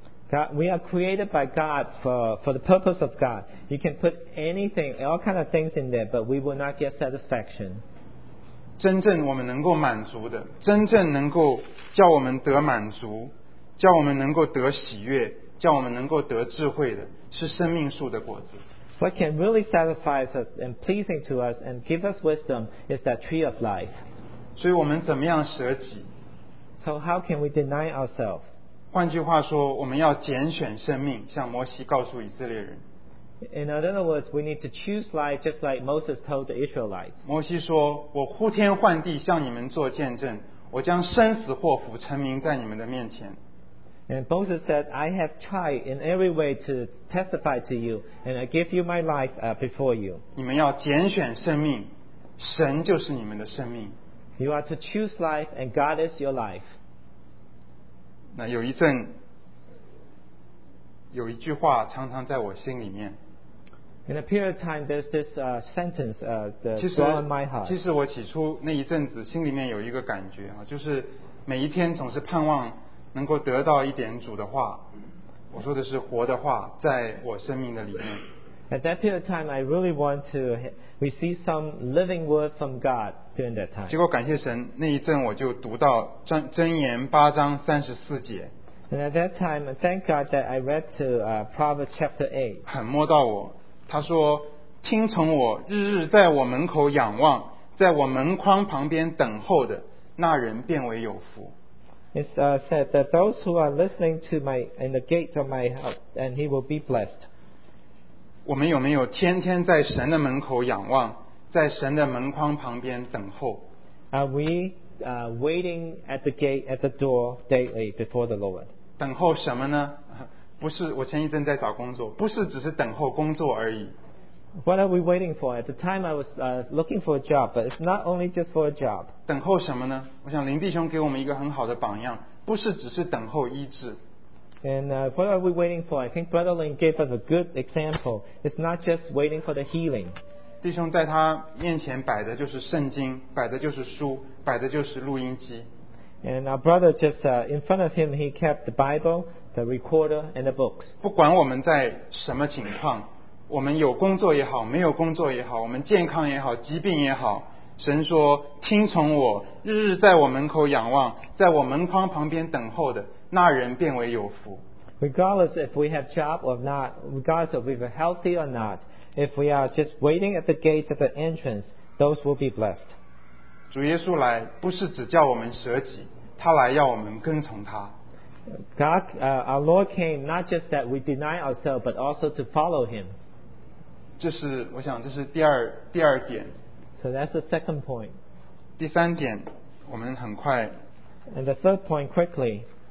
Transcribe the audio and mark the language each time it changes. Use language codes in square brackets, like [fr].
[en] God, we are created by God for the purpose of God. You can put anything, all kind of things in there, but we will not get satisfaction. [zh] 真正我们能够满足的，真正能够叫我们得满足，叫我们能够得喜悦，叫我们能够得智慧的，是生命树的果子。 [en] What can really satisfy us and pleasing to us and give us wisdom is that tree of life. [zh] 所以我们怎么样舍己？ [en] So how can we deny ourselves? [zh] 换句话说，我们要拣选生命，像摩西告诉以色列人。 [en] In other words, we need to choose life, just like Moses told the Israelites. [zh] 摩西说：“我呼天唤地，向你们做见证，我将生死祸福陈明在你们的面前。” [en] And Moses said, "I have tried in every way to testify to you, and I give you my life before you." [zh] 你们要拣选生命，神就是你们的生命。 [en] You are to choose life, and God is your life. [zh] 那有一阵，有一句话常常在我心里面。 [en] In a period of time, there's this sentence that's still in my heart. [zh] 其实我起初那一阵子心里面有一个感觉啊，就是每一天总是盼望能够得到一点主的话，我说的是活的话，在我生命的里面。 [en] At that period of time, I really want to receive some living word from God during that time. [zh] 结果感谢神，那一阵我就读到箴言八章三十四节。 [en] And at that time, thank God that I read to Proverbs chapter 8. [zh] 很摸到我，他说：“听从我，日日在我门口仰望，在我门框旁边等候的那人，变为有福。” [en] It's said that those who are listening to my in the gate of my house, and he will be blessed. [zh] 我们有没有天天在神的门口仰望，在神的门框旁边等候？ [en] Are we waiting at the gate, at the door daily before the Lord? [zh] 等候什么呢？不是，我前一阵在找工作，不是只是等候工作而已。 [en] What are we waiting for? At the time I was looking for a job, but it's not only just for a job. [zh] 等候什么呢？我想林弟兄给我们一个很好的榜样，不是只是等候医治。 [en] And what are we waiting for? I think Brother Lin gave us a good example. It's not just waiting for the healing. [zh] 弟兄在他面前摆的就是圣经，摆的就是书，摆的就是录音机。 [en] And our brother just in front of him, he kept the Bible, the recorder, and the books. [zh] 不管我们在什么情况，我们有工作也好，没有工作也好，我们健康也好，疾病也好，神说听从我，日日在我门口仰望，在我门框旁边等候的那人变为有福。 [en] Regardless if we have job or not, regardless if we are healthy or not, if we are just waiting at the gates at the entrance, those will be blessed. [zh] 主耶稣来不是只叫我们舍己，他来要我们跟从他。 [en] God, our Lord came not just that we deny ourselves, but also to follow him. [zh] 这是我想这是第二点。 [en] So that's the second point. [zh] 第三点，我们很快。 [en] And the third point, quickly.